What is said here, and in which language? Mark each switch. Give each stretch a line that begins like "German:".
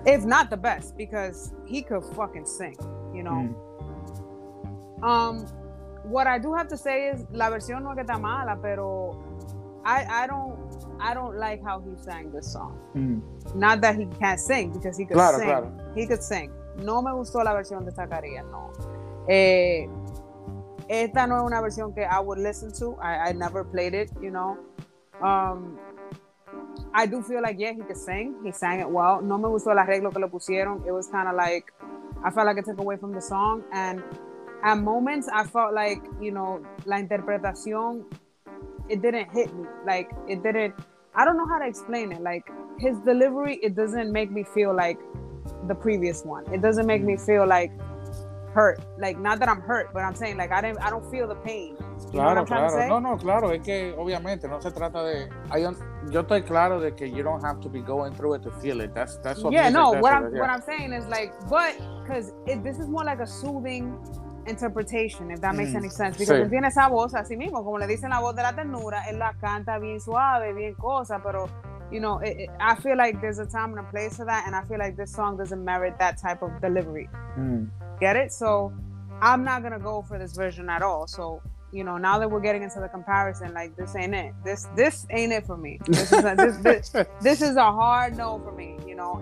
English: If not the best, because he could fucking sing, you know. What I do have to say is la versión no es que está mala, pero I don't like how he sang this song. Mm. Not that he can't sing, because he could
Spanish: claro,
English: sing
Spanish: claro.
English: He could sing.
Spanish: No me gustó la versión de Zacarías, no.
English: Esta no es una versión que I would listen to. I never played it, you know. I do feel like, yeah, he could sing. He sang it well.
Spanish: No me gustó el arreglo que lo pusieron.
English: It was kind of like, I felt like it took away from the song. And at moments, I felt like, you know, la interpretación, it didn't hit me. Like, it didn't, I don't know how to explain it. Like, his delivery, it doesn't make me feel like the previous one. It doesn't make me feel like hurt. Like, not that I'm hurt, but I'm saying, like, I don't feel the pain.
Spanish: Claro, claro. No, no, claro. Es que, obviamente, no se trata de... Yo estoy claro de que you don't have to be going through it to feel it.
English: That's what... Yeah, no, what I'm saying is, like, but... Because this is more like a soothing interpretation, if that makes any sense.
Spanish: Because sí. Tiene esa voz así mismo. Como le dicen la voz de la ternura, él la canta bien suave, bien cosa, pero...
English: You know, I feel like there's a time and a place for that, and I feel like this song doesn't merit that type of delivery. Get it? So, I'm not gonna go for this version at all. So, you know, now that we're getting into the comparison, like, this ain't it. This ain't it for me. This is a hard no for me, you know.